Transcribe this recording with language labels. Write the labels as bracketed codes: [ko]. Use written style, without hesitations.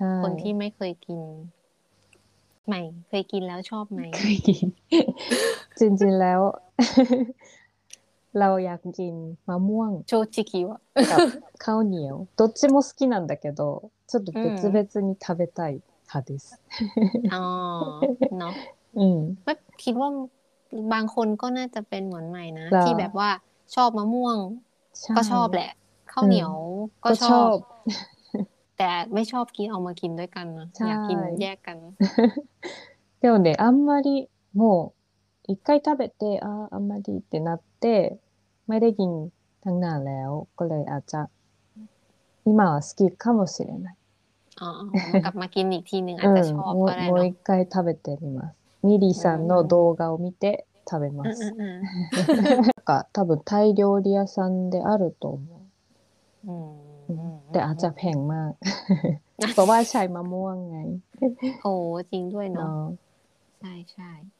[th] คนที่ไม่เคยกินใหม่เคยกินแล้วชอบไหม เคยกินจริงๆแล้วเราอยากกินมะม่วง โจ๊กกี้วะ [ja] ข้าวเหนียวどっちも好きなんだけどちょっと別々に食べたい派です [th] อ๋อเนาะคิดว่าบางคนก็น่าจะเป็นเหมือนใหม่นะที่แบบว่าชอบมะม่วงก็ชอบแหละข้าวเหนียวก็ชอบแต่ไม่ชอบกินเอามากินด้วยกันนะอยากกินแยกกัน [ja] でもねあんまりもう一回食べてあああんまりってなって [th] ไม่ได้กินตั้งนานแล้วก็เลยอาจจะ [ja] 今は好きかもしれない [th] กลับมากินอีกทีนึงอาจจะชอบก็ได้เนาะ [ja] もう一回食べてみますミリさんの動画を見て食べますなんか多分タイ料理屋さんであると思う [th] แต่อาจจะแพงมากเพราะว่าใช้มะม่วงไง โอ้จริงด้วยเนาะใช่ใช่